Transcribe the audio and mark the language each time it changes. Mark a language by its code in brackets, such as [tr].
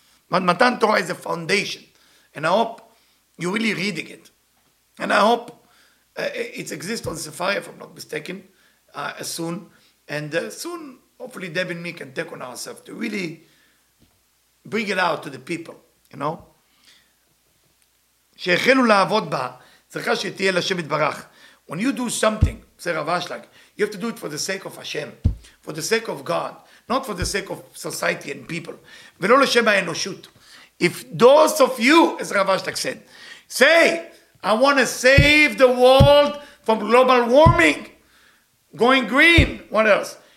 [en] But מתן תורה is a foundation, and I hope you're really reading it. And I hope it exists on Safari, if I'm not mistaken, soon. And soon, hopefully, Deb and me can take on ourselves to really bring it out to the people, you know? [he] שהחלו לעבוד בה, צריכה שתהיה לשם יתברך. [en] When you do something, say Rav Ashlag, you have to do it for the sake of Hashem, for the sake of God, not for the sake of society and people. [he] ולא לשם האנושות. [en] If those of you, as Rav Ashlag said, say, I want to save the world from global warming, going green, what else?